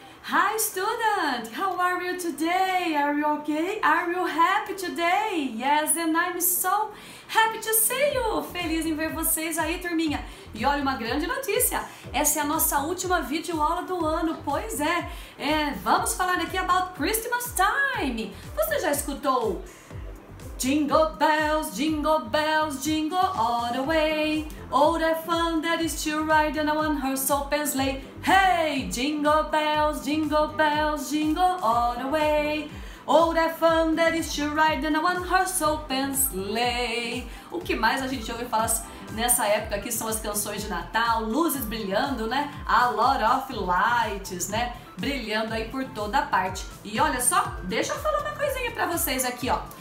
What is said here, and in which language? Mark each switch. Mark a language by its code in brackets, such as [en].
[en] Hi student, how are you today? Are you okay? Are you happy today? Yes, and I'm so happy to see you! [pt] Feliz em ver vocês aí, turminha! E olha uma grande notícia! Essa é a nossa última videoaula do ano, pois é! Vamos falar aqui [en] about Christmas time! [pt] Você já escutou? [en] Jingle bells, jingle bells, jingle all the way. Oh, the fun that is to ride in a one-horse open sleigh. Hey, jingle bells, jingle bells, jingle all the way. Oh, the fun that is to ride in a one-horse open sleigh. [pt] O que mais a gente ouve falar nessa época aqui são as canções de Natal, luzes brilhando, né? [en] A lot of lights, [pt] né? Brilhando aí por toda a parte. E olha só, deixa eu falar uma coisinha para vocês aqui, ó.